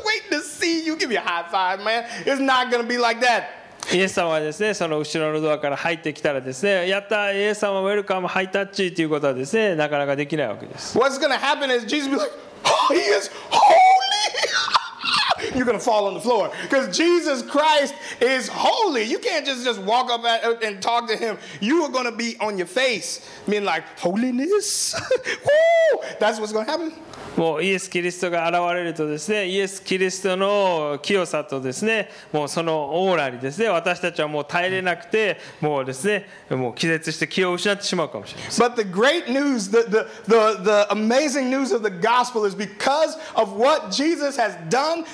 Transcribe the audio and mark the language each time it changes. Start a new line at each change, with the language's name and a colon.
English: To see you, give me a high five, man. It's not gonna be like that.
Japanese: イエス様はですね、その後ろのドアから入ってきたらですね、やったイエス様ウェルカムハイタッチということはですね、なかなかできないわけです。
English: What's gonna happen is Jesus be like, oh, he is holy. You're gonna fall on the floor because Jesus Christ is holy. You can't just walk up and talk to him. You are gonna be on your face, being like holiness. Woo! That's what's gonna happen.
Japanese: もうイエス・キリストが現れるとですね、イエス・キリストの清さとですね、もうそのオーラにですね、私たちはもう耐えれなくて、もうですね、もう気絶して気を失ってしまうかもしれません。
English: But the great news, the amazing news of the gospel is because of what Jesus has done.